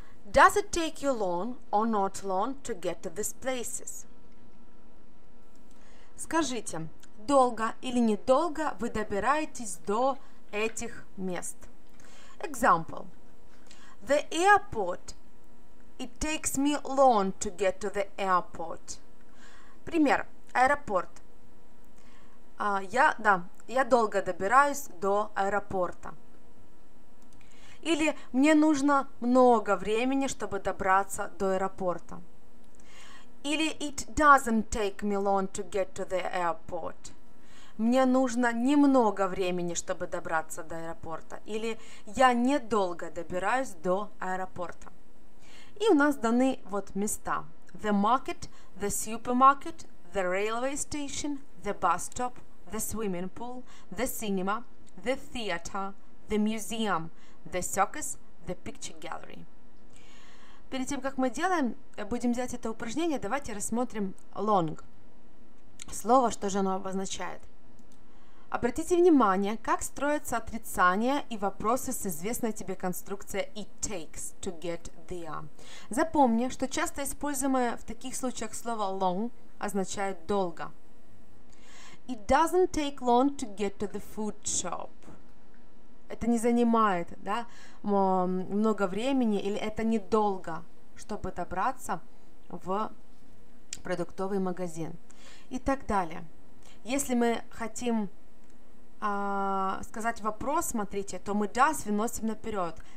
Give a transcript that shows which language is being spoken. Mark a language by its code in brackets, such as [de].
[en] Does it take you long or not long to get to these places? [ru] Скажите, долго или недолго вы добираетесь до этих мест? [en] Example. The airport. It takes me long to get to the airport. [ru] Пример. Аэропорт. Я долго добираюсь до аэропорта. Или мне нужно много времени, чтобы добраться до аэропорта. [en] Или it doesn't take me long to get to the airport. [ru] Мне нужно немного времени, чтобы добраться до аэропорта. Или я недолго добираюсь до аэропорта. И у нас даны вот места. [en] The market, the supermarket, the railway station, the bus stop, the swimming pool, the cinema, the theater, the museum, the circus, the picture gallery. [ru] Перед тем, как мы делаем, будем делать это упражнение, давайте рассмотрим long. Слово, что же оно обозначает? Обратите внимание, как строятся отрицания и вопросы с известной тебе конструкцией [en] it takes to get there. [ru] Запомни, что часто используемое в таких случаях слово long означает долго. [en] It doesn't take long to get to the food shop. [ru] Это не занимает, да, много времени или это недолго, чтобы добраться в продуктовый магазин. И так далее. Если мы хотим сказать вопрос, смотрите, то мы does выносим наперед.